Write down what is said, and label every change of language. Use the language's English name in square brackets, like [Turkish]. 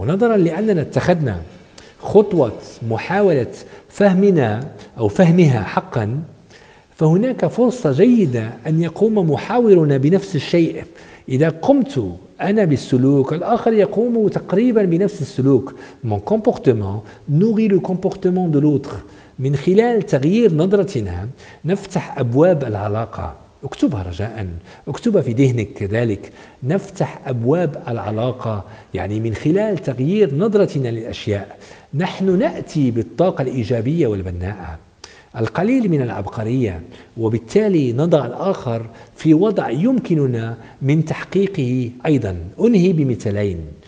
[Arabic] ونظرا لأننا اتخذنا خطوة محاولة فهمنا أو فهمها حقا، فهناك فرصة جيدة أن يقوم محاورنا بنفس الشيء. إذا قمت أنا بالسلوك، الآخر يقوم تقريبا بنفس السلوك. [French] Mon comportement nourrit le comportement de l'autre. [Arabic] من خلال تغيير نظرتنا نفتح أبواب العلاقة. اكتبها رجاء، اكتبها في ذهنك كذلك. نفتح أبواب العلاقة، يعني من خلال تغيير نظرتنا للأشياء نحن نأتي بالطاقة الإيجابية والبناءة القليل من العبقرية، وبالتالي نضع الآخر في وضع يمكننا من تحقيقه أيضا. أنهي بمثالين.